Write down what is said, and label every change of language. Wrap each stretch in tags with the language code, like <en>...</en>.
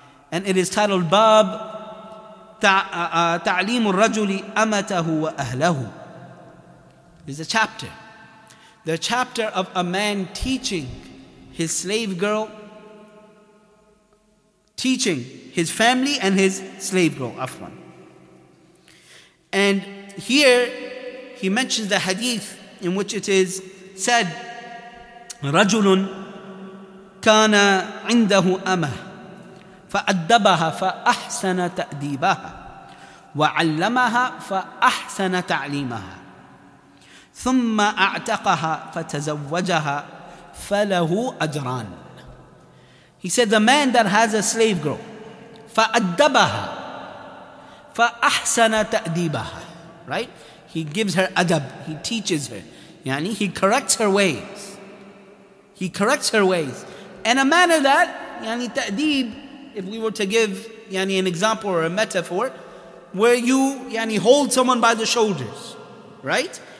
<en>And it is titled, Bab Ta'limu al-Rajuli Amatahu wa Ahlahu. It is a chapter. The chapter of a man teaching his slave girl, teaching his family and his slave girl, Afwan. And here he mentions the hadith in which it is said,</en> <ar>رَجُلٌ كَانَ عِنْدَهُ أَمَهُ فَأَدَّبَهَا فَأَحْسَنَ تَأْدِيبَهَا وَعَلَّمَهَا فَأَحْسَنَ تَعْلِيمَهَا ثُمَّ أَعْتَقَهَا فَتَزَوَّجَهَا فَلَهُ أَجْرَانِ.</ar> <en>He said, the man that has a slave girl,</en> <ar>فَأَدَّبَهَا فَأَحْسَنَ تَأْدِيبَهَا.</ar> <en>Right? He gives her adab. He teaches her. Yani, he corrects her ways. He corrects her ways. And a man of that, yani ta'dib, if we were to give yani an example or a metaphor, where you yani hold someone by the shoulders, right?</en>